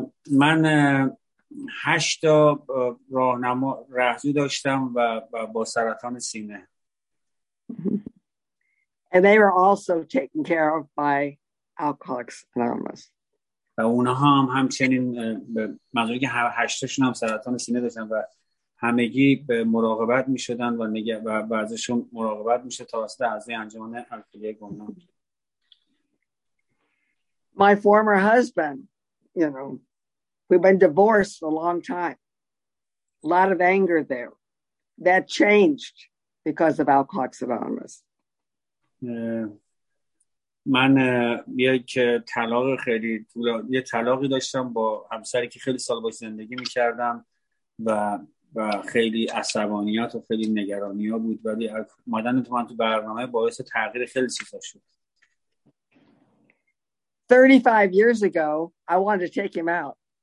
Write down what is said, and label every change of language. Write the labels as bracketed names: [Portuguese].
[Persian] من 8 راهنما رهزو داشتم و با سرطان سینه. [English] And they were also taken care of by Alcoholics Anonymous. [Persian] و اونها هم همچنین به منظوری که 8شون هم سرطان سینه داشتن و همگی به مراقبت می‌شدن و ازشون مراقبت میشه توسط اعضای انجمن الکلی گمنام. [English] My former husband, you know, we've been divorced a long time. A lot of anger there. That changed because of Alcoholics Anonymous. [Persian] من یک طلاق خیلی طولانی، یه طلاقی داشتم با همسری که خیلی سال باش زندگی می‌کردم و خیلی عصبانیت و خیلی نگرانی ها بود، ولی اومدن تو من تو برنامه باعث تغییر خیلی چیزا شد. [English] 35 years ago, I wanted to take him out.